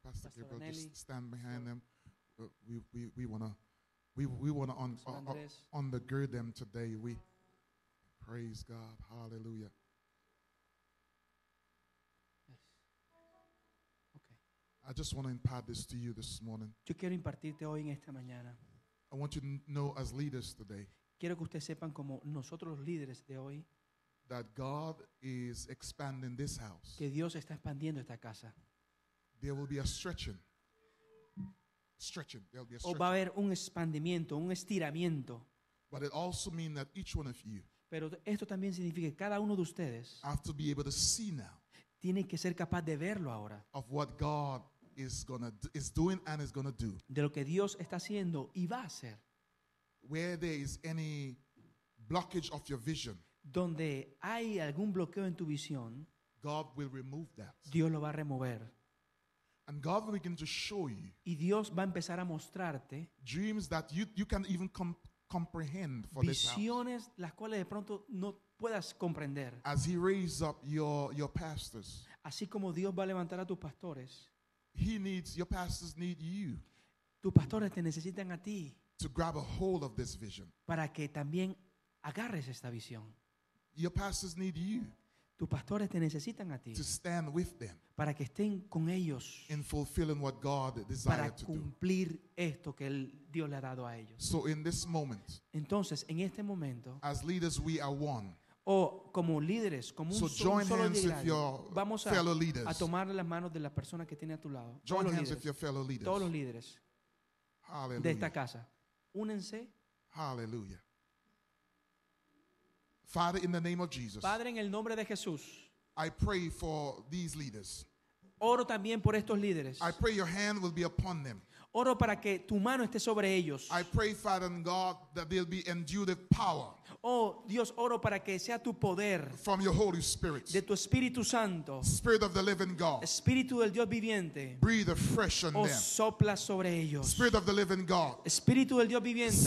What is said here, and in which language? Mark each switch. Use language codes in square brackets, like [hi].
[en] Pastor Gabriel, just stand behind them. We wanna undergird them today. We praise God. Hallelujah. I just want to impart this to you this morning. [es] Yo quiero impartirte hoy en esta mañana. [en] I want you to know as leaders today. [es] Quiero que ustedes sepan como nosotros los líderes de hoy. [en] That God is expanding this house. [es] Que Dios está expandiendo esta casa. [en] There will be a stretching. Stretching. There will be a stretching. [es] O va a haber un expandimiento, un estiramiento. [en] But it also means that each one of you. [es] Pero esto también significa que cada uno de ustedes. [en] Have to be able to see now. [es] Tiene que ser capaz de verlo ahora. [en] Of what God is doing and is gonna do. [es] De lo que Dios está haciendo y va a hacer. [en] Where there is any blockage of your vision. [es] Donde hay algún bloqueo en tu visión. [en] God will remove that. [es] Dios lo va a remover. [en] And God will begin to show you. [es] Y Dios va a empezar a mostrarte. [en] Dreams that you can even comprehend for this house. [es] Visiones las cuales de pronto no puedas comprender. [en] As he raises up your pastors. [es] Así como Dios va a levantar a tus pastores. [en] Your pastors need you. [es] Tus pastores te necesitan a ti. [en] To grab a hold of this vision. [es] Para que también agarres esta visión. [en] Your pastors need you. [es] Tus pastores te necesitan a ti. [en] To stand with them. [es] Para que estén con ellos. [en] In fulfilling what God desired to do. [es] Para cumplir esto que Dios le ha dado a ellos. [en] So in this moment. [es] Entonces, en este momento. [en] As leaders, we are one. [es] O como líderes, como [en] so [es] un solo liderazgo. Vamos a tomar las manos de la persona que tiene a tu lado. [en] Join [es] todos [en] hands [es] líderes, [en] with your fellow leaders. [es] Todos los líderes. [en] Hallelujah. [es] De esta casa. Únense. [en] Hallelujah. Father, in the name of Jesus. [es] Padre, en el nombre de Jesús. [en] I pray for these leaders. [es] Oro también por estos líderes. [en] I pray your hand will be upon them. [es] Oro para que tu mano esté sobre ellos. [en] I pray, Father and God, that they'll be endued with power. [es] Oh, Dios, oro para que sea tu poder. [en] From your Holy Spirit. [es] De tu Espíritu Santo. [en] Spirit of the living God. [es] Espíritu del Dios viviente. [en] Breathe afresh on them. [es] Oh, sopla sobre ellos. [en] Spirit of the living God. [es] Espíritu del Dios viviente.